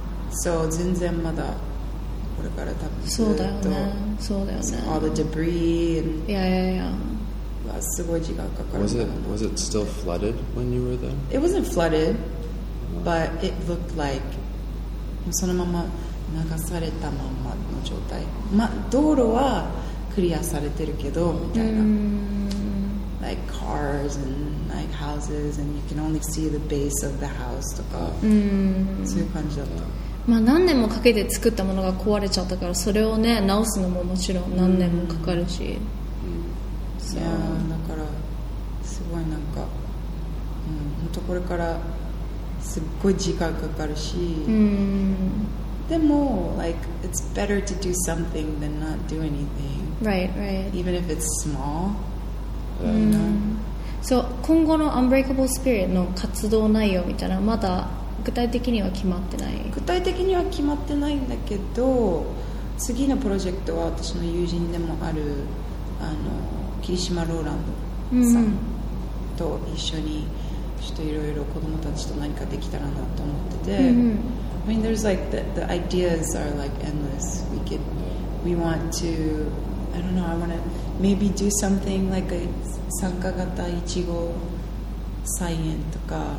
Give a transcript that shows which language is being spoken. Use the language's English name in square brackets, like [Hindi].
[English] So [Japanese] 全然まだこれから多分そうだよね。そうだよね。 [English] All the debris and yeah. Was it still flooded when you were there? It wasn't flooded, but it looked like [Japanese] そのまま流されたままの状態。ま、道路はクリアされてるけどみたいな。 [English] Like cars and like houses, and you can only see the base of the house [Japanese] とか。そういう感じだった。まあ、何年もかけて作ったものが壊れちゃったから、それをね、直すのももちろん何年もかかるし。いやだからすごいなんか、本当これからすっごい時間かかるし、でも, [English] like, it's better to do something than not do anything. Right, right. Even if it's small. So, [Japanese] 今後の Unbreakable Spirit の活動内容みたいなまだ具体的には決まってない。具体的には決まってないんだけど、次のプロジェクトは私の友人でもあるあの霧島ローランドさんと一緒にちょっといろいろ子供たちと何かできたらなと思ってて。 [English] I mean, there's like the ideas are like endless. We want to, I don't know, I want to maybe do something like a [Japanese] 参加型いちご菜園とか。